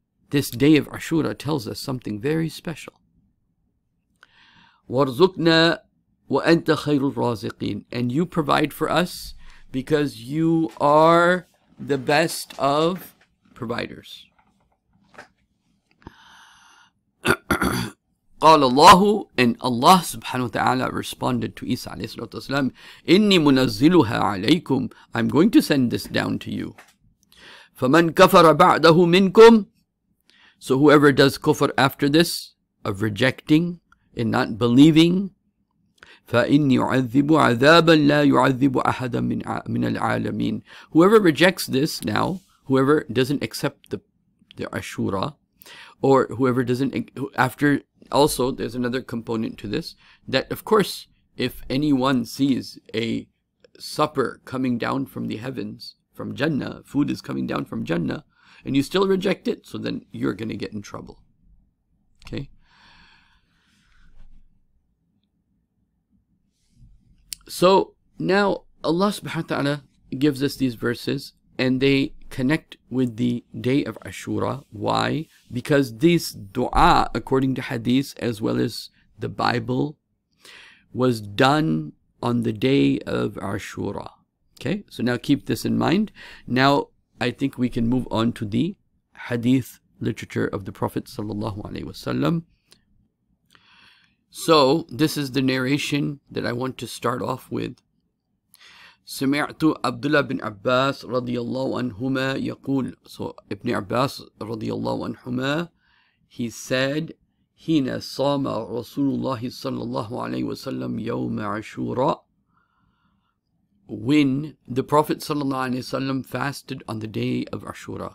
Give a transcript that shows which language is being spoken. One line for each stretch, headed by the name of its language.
English: This day of Ashura tells us something very special.
Arabic: وَرْزُقْنَا وَأَنْتَ خَيْرُ الرَّازِقِينَ,
English: and you provide for us because you are the best of providers.
Arabic: قَالَ اللَّهُ,
English: and Allah subhanahu wa ta'ala responded to Isa alayhi salatu wasalam,
Arabic: إِنِّي مُنَزِّلُهَا عَلَيْكُمْ,
English: I'm going to send this down to you.
Arabic: فَمَنْ كَفَرَ بَعْدَهُ مِنْكُمْ,
English: so whoever does kufr after this, of rejecting and not believing,
Arabic: فَإِنِّي عَذِّبُ عَذَابًا لَا يُعَذِّبُ أَحَدًا مِنَ الْعَالَمِينَ.
English: Whoever rejects this now, whoever doesn't accept the Ashura, or whoever doesn't, after, also there's another component to this, that of course, if anyone sees a supper coming down from the heavens, from Jannah, food is coming down from Jannah, and you still reject it, so then you're going to get in trouble. Okay? So now Allah subhanahu wa ta'ala gives us these verses, and they connect with the day of Ashura. Why? Because this dua, according to hadith, as well as the Bible, was done on the day of Ashura. Okay? So now keep this in mind. Now, I think we can move on to the hadith literature of the Prophet sallallahu alaihi wasallam. So this is the narration that I want to start off with.
Arabic: سمعت عبد الله بن عباس رضي الله عنهما يقول.
English: So ابن عباس رضي الله عنهما, he said,
Arabic: حين صام رسول الله صلى الله عليه وسلم يوم عاشوراء,
English: when the Prophet sallallahu alaihi wasallam fasted on the day of Ashura.